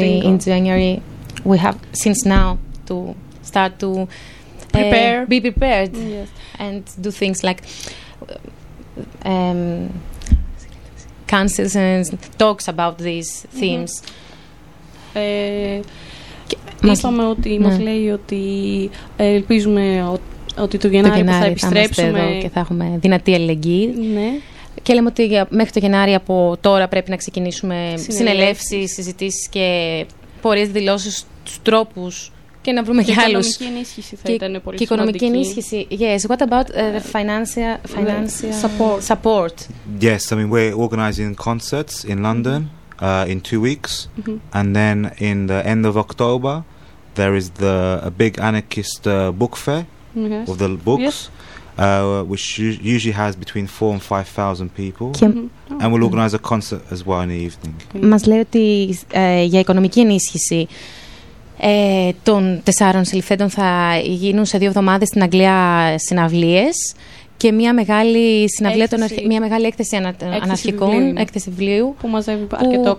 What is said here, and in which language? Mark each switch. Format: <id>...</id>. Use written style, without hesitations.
<en>only in January, we have since now to start to prepare. Be prepared. Yes. And do things like councils and talks about these themes. Mm-hmm.</en> <el>Είπαμε ότι μας λέει ότι ελπίζουμε ότι το Γενάρη θα επιστρέψουμε και θα έχουμε δυνατή αλληλεγγύη. Ναι. Και λέμε ότι μέχρι το Γενάρη από τώρα πρέπει να ξεκινήσουμε συνελεύσεις, συζητήσεις και πορείες, δηλώσεις, τους τρόπους και να βρούμε για άλλους. Και η οικονομική ενίσχυση θα ήταν πολύ σημαντική. Και η οικονομική ενίσχυση.</el> <en>Yes. What about the financial support? Yes. I mean, we're organizing concerts in London in 2 weeks. Mm-hmm. And then in the end of October, there is a big anarchist book fair mm-hmm. of the books, yes. Which usually has between 4,000 and 5,000 people. Mm-hmm. Oh. And we'll organize a concert as well in the evening.</en> <el>Μας λέει ότι για οικονομική ενίσχυση των τεσσάρων συλληφθέντων θα γίνουν σε 2 εβδομάδες στην Αγγλία συναυλίες και μια μεγάλη συναυλία, μια μεγάλη έκθεση αναρχικών, έκθεση βιβλίου που μαζεύει αρκετό κόσμο.</el>